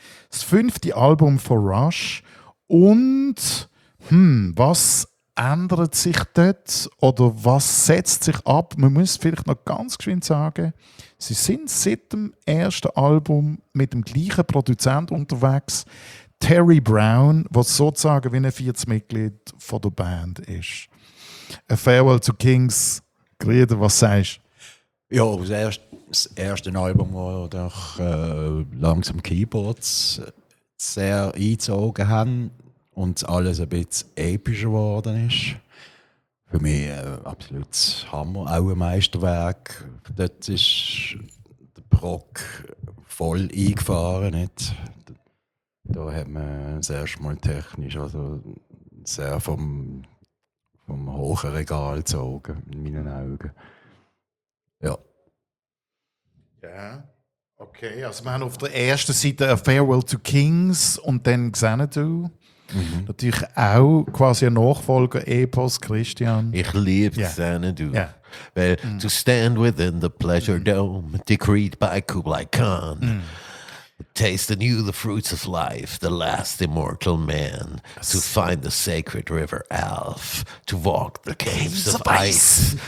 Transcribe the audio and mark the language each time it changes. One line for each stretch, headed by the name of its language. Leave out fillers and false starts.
German: Das fünfte Album von Rush. Und was ändert sich dort oder was setzt sich ab? Man muss vielleicht noch ganz geschwind sagen, sie sind seit dem ersten Album mit dem gleichen Produzent unterwegs, Terry Brown, der sozusagen wie ein viertes Mitglied von der Band ist. A Farewell to Kings, Grieder, was sagst du? Ja, das erste Album, wo doch langsam Keyboards sehr eingezogen haben und alles ein bisschen epischer geworden ist. Für mich ein absolutes Hammer, auch ein Meisterwerk. Dort ist der Prog voll eingefahren. Nicht? Da hat man das erste Mal technisch also sehr vom hohen Regal gezogen, in meinen Augen. Ja. Ja. Yeah. Okay, also wir haben auf der ersten Seite A Farewell to Kings und dann Xanadu. Mhm. Natürlich auch quasi ein Nachfolger, Epos, Christian. Ich liebe yeah. Xanadu. Yeah.
English: Weil to stand within the pleasure dome, decreed by Kublai Khan, taste anew the fruits of life, the last immortal man, to find the sacred river Alf, to walk the caves of ice.